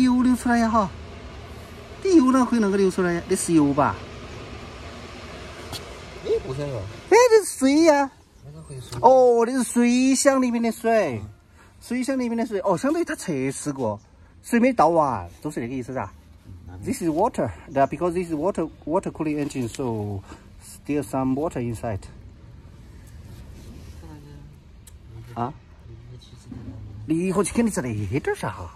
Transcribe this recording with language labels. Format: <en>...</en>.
<zh>油流出来呀哈！你油哪会那个流出来呀？那是油吧？不像哟。那是水呀。哦，那是水箱里面的水。水箱里面的水哦，相当于它测试过，水没倒完，就是那个意思噻。</zh> <en>This is water, that because this is water cooling engine, so still some water inside. 啊？</en> <zh>离合器肯定在那点儿上。</zh>